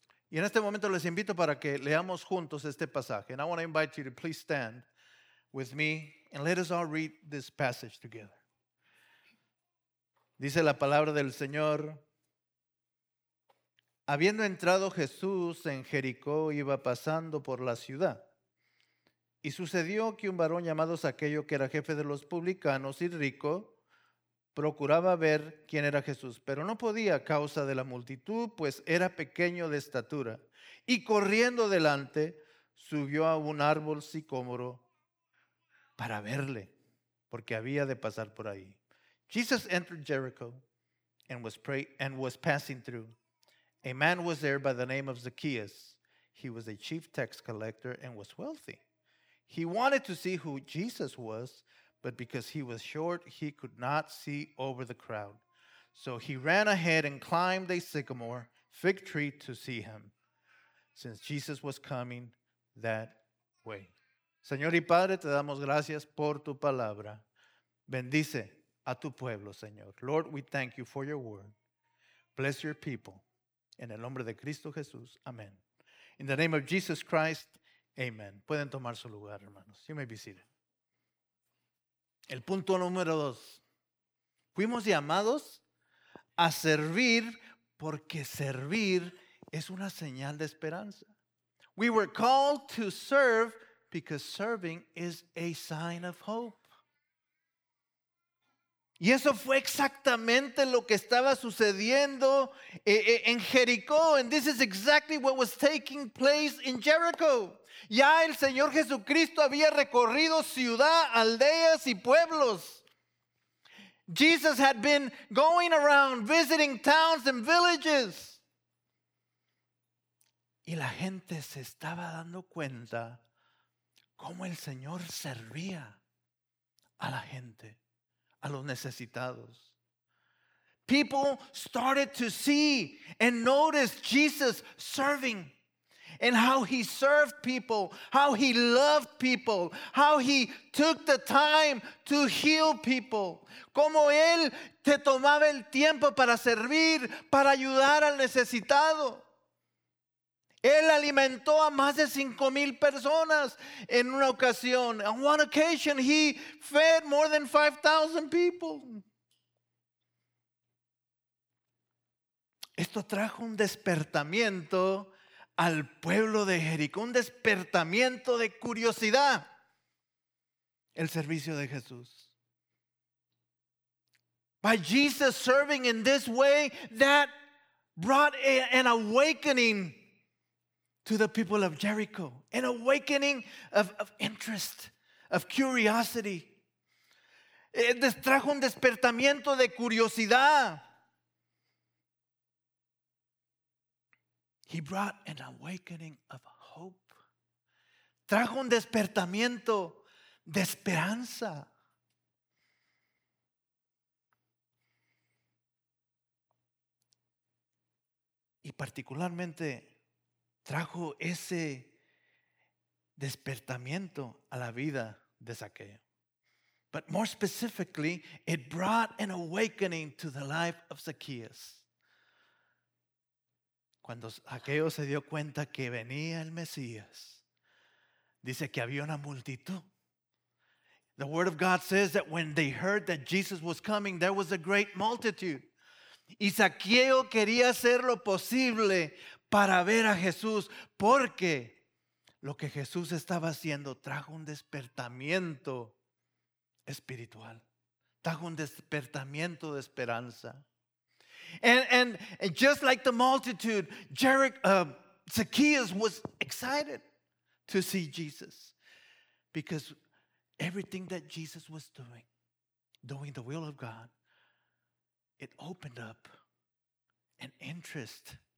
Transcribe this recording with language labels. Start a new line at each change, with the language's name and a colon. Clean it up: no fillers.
Spanish: Y en este momento les invito para que leamos juntos este pasaje.
English: And I want to invite you to please stand with me and let us all read this passage together.
Spanish: Dice la palabra del Señor. Habiendo entrado Jesús en Jericó, iba pasando por la ciudad. Y sucedió que un varón llamado Zaqueo, que era jefe de los publicanos y rico, procuraba ver quién era Jesús, pero no podía a causa de la multitud, pues era pequeño de estatura. Y corriendo delante, subió a un árbol sicómoro para verle, porque había de pasar por ahí.
English: Jesus entered Jericho and was passing through. A man was there by the name of Zacchaeus. He was a chief tax collector and was wealthy. He wanted to see who Jesus was, but because he was short, he could not see over the crowd. So he ran ahead and climbed a sycamore fig tree to see him, since Jesus was coming that way.
Spanish: Señor y Padre, te damos gracias por tu palabra. Bendice a tu pueblo, Señor.
English: Lord, we thank you for your word. Bless your people.
Spanish: En el nombre de Cristo Jesús, amén.
English: In the name of Jesus Christ, amen.
Spanish: Pueden tomar su lugar, hermanos.
English: You may be seated.
Spanish: El punto número dos. Fuimos llamados a servir porque servir es una señal de esperanza.
English: We were called to serve because serving is a sign of hope.
Spanish: Y eso fue exactamente lo que estaba sucediendo en Jericó.
English: And this is exactly what was taking place in Jericho.
Spanish: Ya el Señor Jesucristo había recorrido ciudad, aldeas y pueblos.
English: Jesus had been going around visiting towns and villages.
Spanish: Y la gente se estaba dando cuenta cómo el Señor servía a la gente, a los necesitados.
English: People started to see and notice Jesus serving. And how he served people, how he loved people, how he took the time to heal people.
Spanish: Como él te tomaba el tiempo para servir, para ayudar al necesitado. Él alimentó a más de 5,000 personas en una ocasión.
English: On one occasion, he fed more than 5,000 people.
Spanish: Esto trajo un despertamiento al pueblo de Jericó, un despertamiento de curiosidad. El servicio de Jesús.
English: By Jesus serving in this way, that brought an awakening to the people of Jericho. An awakening of interest, of curiosity.
Spanish: Trajo un despertamiento de curiosidad.
English: He brought an awakening of hope.
Spanish: Trajo un despertamiento de esperanza. Y particularmente trajo ese despertamiento a la vida de Zaqueo.
English: But more specifically, it brought an awakening to the life of Zacchaeus.
Spanish: Cuando Zaqueo se dio cuenta que venía el Mesías, dice que había una multitud.
English: The word of God says that when they heard that Jesus was coming, there was a great multitude.
Spanish: Y Zaqueo quería hacer lo posible para ver a Jesús, porque lo que Jesús estaba haciendo trajo un despertamiento espiritual, trajo un despertamiento de esperanza.
English: And just like the multitude, Zacchaeus was excited to see Jesus because everything that Jesus was doing, doing the will of God, it opened up an interest.